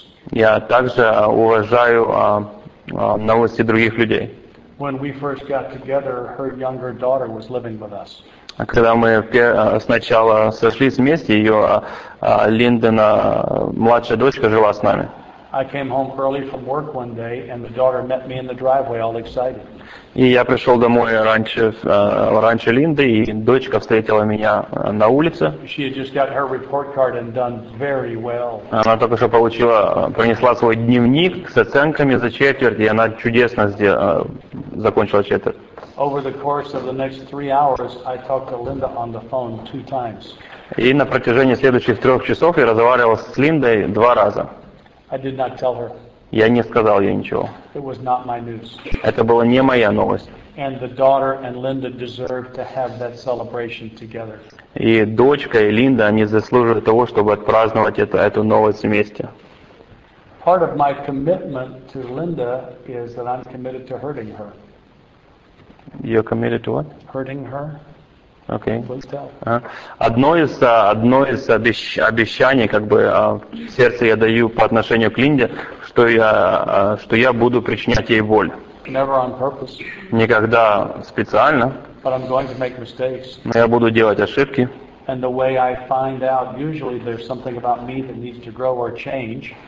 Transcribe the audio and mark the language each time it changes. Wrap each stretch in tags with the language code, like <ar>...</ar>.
<ru>Я также уважаю новости других людей.</ru> <en>When we first got together, her younger daughter was living with us.</en> <ru>Когда мы сначала сошлись вместе, ее Линдена младшая дочка жила с нами.</ru> <en>I came home early from work one day, and the daughter met me in the driveway, all excited.</en> <ru>И я пришел домой раньше Линды, и дочка встретила меня на улице.</ru> <en>She had just got her report card and done very well.</en> <ru>Она только что принесла свой дневник с оценками за четверть, и она чудесно закончила четверть.</ru> <en>Over the course of the next 3 hours, I talked to Linda on the phone 2 times.</en> <ru>И на протяжении следующих 3 часов я разговаривал с Линдой 2 раза.</ru> <en>I did not tell her.</en> <ru>Я не сказал ей ничего.</ru> <en>It was not my news.</en> <ru>Это была не моя новость.</ru> <en>And the daughter and Linda deserved to have that celebration together.</en> <ru>И дочка и Линда, они заслуживают того, чтобы отпраздновать эту новость вместе.</ru> <en>Part of my commitment to Linda is that I'm committed to hurting her. You're committed to what? Hurting her. Okay. Please tell.</en> <ru>Одно из обещаний, как бы в сердце я даю по отношению к Линде, что я буду причинять ей боль.</ru> <en>Never on purpose.</en> <ru>Никогда специально.</ru> <en>But I'm going to make mistakes.</en> <ru>Но я буду делать ошибки.</ru> <en>And the way I find out, usually there's something about me that needs to grow or change.</en>